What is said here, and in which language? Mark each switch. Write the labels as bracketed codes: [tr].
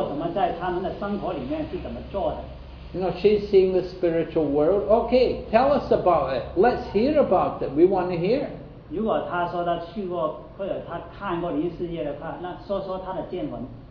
[zh] 说这些话的人呢，你要更进一步的去研究他，看他说什么、做什么，在他们的生活里面是怎么做的。 [en] You know, she's seeing the spiritual world. Okay, tell us about it. Let's hear about it. We want to hear. [zh] 如果他说他去过或者他看过灵世界的话，那说说他的见闻。